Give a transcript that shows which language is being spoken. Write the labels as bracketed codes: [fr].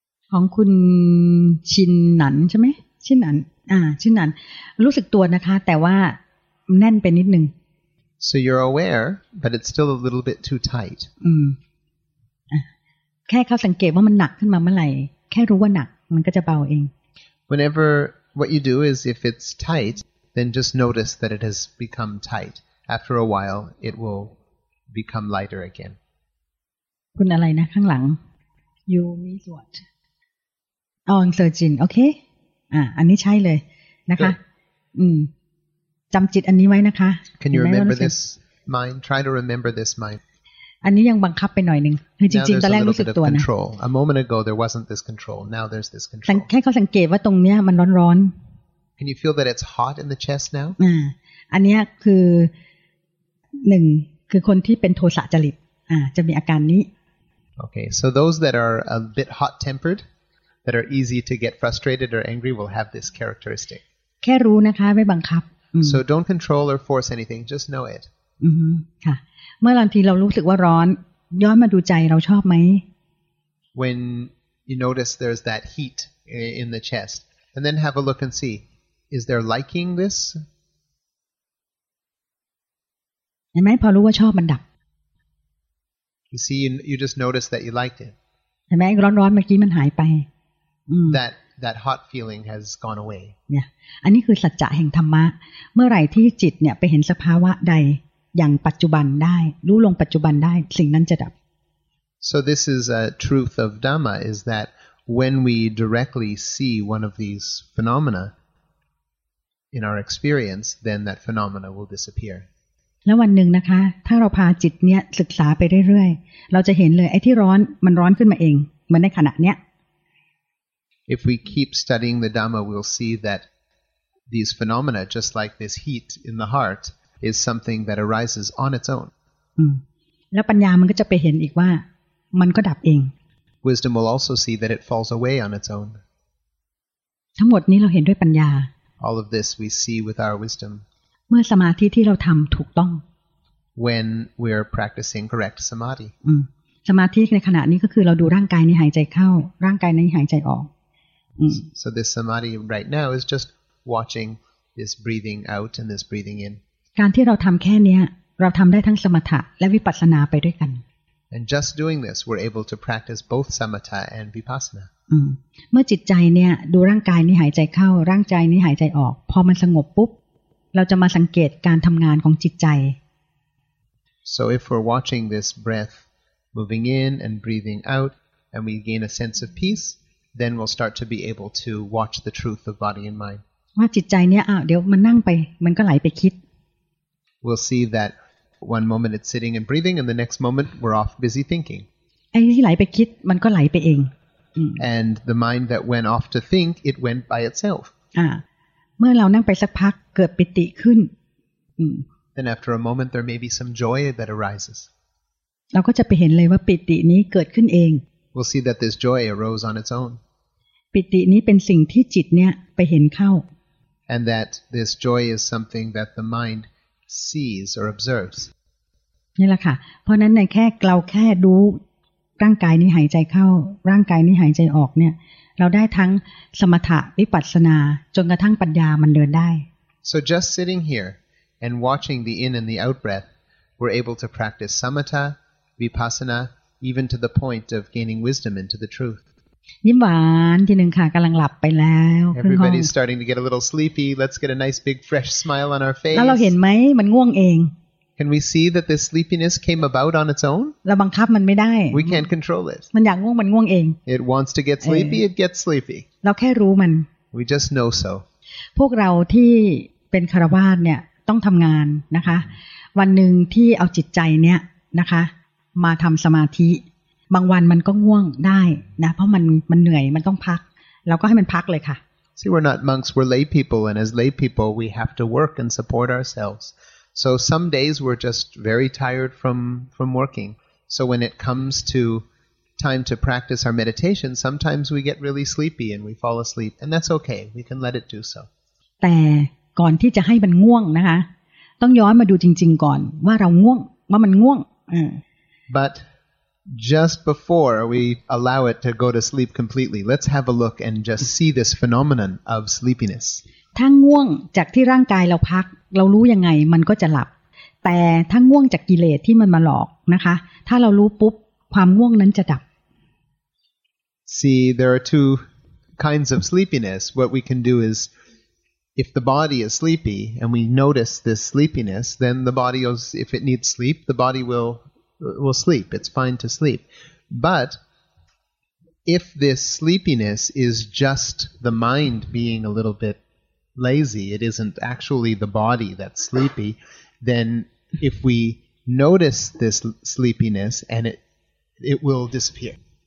[th] ของคุณชินหนันใช่ไหมชินหนันชินหนันรู้สึกตัวนะคะแต่ว่าแน่นไปนิดนึง [en] So you're aware but it's still a little bit too tight. [th] แค่เขาสังเกตว่ามันหนักขึ้นมาเมื่อไหร่แค่รู้ว่าหนักมันก็จะเบาเอง [en] Whenever what you do is if it's tight then just notice that it has become tight. After a while it will become lighter again. [th] คุณอะไรนะข้างหลัง [en] You need what? [th] อ๋อ surgeon โอเคอันนี้ใช่เลยนะคะจำจิตอันนี้ไว้นะคะ [en] Can you remember this mind? Try to remember this mind. [th] อันนี้ยังบังคับไปหน่อยนึงคือจริงๆตอนแรกรู้สึกตัวนะ [en] A moment ago there wasn't this control. Now there's this control. [th] แค่เขาสังเกตว่าตรงเนี้ยมันร้อน [en] ๆ Can you feel that it's hot in the chest now? [th] อันนี้คือหนึ่งคือคนที่เป็นโทสะจริตจะมีอาการนี้ [en] Okay, so those that are a bit hot temperedthat are easy to get frustrated or angry will have this characteristic. [th] แค่รู้นะคะไม่บังคับ [en] So don't control or force anything, just know it. [th] ค่ะเมื่อบางทีเรารู้สึกว่าร้อนย้อนมาดูใจเราชอบไหม [en] When you notice there's that heat in the chest, and then have a look and see, is there liking this? [th] เห็นไหมพอรู้ว่าชอบมันดับ [en] You see, you just noticed that you liked it. [th] เห็นไหมร้อนๆเมื่อกี้มันหายไป [en] That hot feeling has gone away. [th] Yeah, อันนี้คือสัจจะแห่งธรรมะเมื่อไหร่ที่จิตเนี่ยไปเห็นสภาวะใดอย่างปัจจุบันได้รู้ลงปัจจุบันได้สิ่งนั้นจะดับ [en] So this is a truth of Dhamma is that when we directly see one of these phenomena in our experience, then that phenomena will disappear. [th] แล้ววันหนึ่งนะคะถ้าเราพาจิตเนี่ยศึกษาไปเรื่อยๆเราจะเห็นเลยไอ้ที่ร้อนมันร้อนขึ้นมาเองเหมือนในขณะเนี้ย [en] If we keep studying the Dhamma, we'll see that these phenomena, just like this heat in the heart, is something that arises on its own. [th] แล้วปัญญามันก็จะไปเห็นอีกว่ามันก็ดับเอง [en] Wisdom will also see that it falls away on its own. [th] ทั้งหมดนี้เราเห็นด้วยปัญญา [en] All of this we see with our wisdom. [th] เมื่อสมาธิที่เราทำถูกต้อง [en] When we are practicing correct samadhi. [th] สมาธิในขณะนี้ก็คือเราดูร่างกายในหายใจเข้าร่างกายในหายใจออก [en] So this samadhi right now is just watching this breathing out and this breathing in. [th] การที่เราทำแค่นี้เราทำได้ทั้งสมถะและวิปัสสนาไปด้วยกัน [en] And just doing this, we're able to practice both samatha and vipassana. [th] เมื่อจิตใจเนี่ยดูร่างกายนี้หายใจเข้าร่างใจนี้หายใจออกพอมันสงบปุ๊บเราจะมาสังเกตการทำงานของจิตใจ [en] So if we're watching this breath moving in and breathing out, and we gain a sense of peace. Then we'll start to be able to watch the truth of body and mind. [th] ว่าจิตใจเนี่ยเดี๋ยวมันนั่งไปมันก็ไหลไปคิด [en] We'll see that one moment it's sitting and breathing, and the next moment we're off busy thinking. [th] ไอ้ที่ไหลไปคิดมันก็ไหลไปเอง [en] And the mind that went off to think, it went by itself. [th] เมื่อเรานั่งไปสักพักเกิดปิติขึ้น [en] Then after a moment there may be some joy that arises. [th] เราก็จะไปเห็นเลยว่าปิตินี้เกิดขึ้นเอง [en] We'll see that this joy arose on its own. [th] ปิตินี้เป็นสิ่งที่จิตเนี่ยไปเห็นเข้า [en] And that this joy is something that the mind sees or observes. [th] นี่แหละค่ะเพราะนั้นในแค่เราแค่ดูร่างกายนี้หายใจเข้าร่างกายนี้หายใจออกเนี่ยเราได้ทั้งสมถะวิปัสสนาจนกระทั่งปัญญามันเดินได้ [en] So just sitting here and watching the in and the out breath, we're able to practice samatha, vipassana,even to the point of gaining wisdom into the truth. [th] ยิ้มหวานทีนึงค่ะกำลังหลับไปแล้ว [en] Everybody's starting to get a little sleepy. Let's get a nice big fresh smile on our face. [th] แล้วเราเห็นไหมมันง่วงเอง [en] Can we see that this sleepiness came about on its own? [th] เราบังคับมันไม่ได้ [en] We can't control it. [th] มันอยากง่วงมันง่วงเอง [en] It wants to get sleepy, it gets sleepy. [th] เราแค่รู้มัน [en] We just know so. [th] พวกเราที่เป็นคารวาสเนี่ยต้องทำงานนะคะวันหนึ่งที่เอาจิตใจเนี่ยนะคะมาทำสมาธิบางวันมันก็ง่วงได้นะเพราะมันเหนื่อยมันต้องพักเราก็ให้มันพักเลยค่ะ [en] See we're not monks we're lay people and as lay people we have to work and support ourselves so some days we're just very tired from working so when it comes to time to practice our meditation, sometimes we get really sleepy and we fall asleep, and that's okay. We can let it do so. [th] แต่ก่อนที่จะให้มันง่วงนะคะต้องย้อนมาดูจริงๆก่อนว่าเราง่วงว่ามันง่วง [en] But just before we allow it to go to sleep completely, let's have a look and just see this phenomenon of sleepiness. [th] ถ้าง่วงจากที่ร่างกายเราพักเรารู้ยังไงมันก็จะหลับแต่ถ้าง่วงจากกิเลสที่มันมาหลอกนะคะถ้าเรารู้ปุ๊บความง่วงนั้นจะดับ [en] See there are two kinds of sleepiness. What we can do is if the body is sleepy and we notice this sleepiness, then the body is, if it needs sleep, the body will sleep. It's fine to sleep. But if this sleepiness is just the mind being a little bit lazy, it isn't actually the body that's sleepy, then if we notice this sleepiness and it will disappear.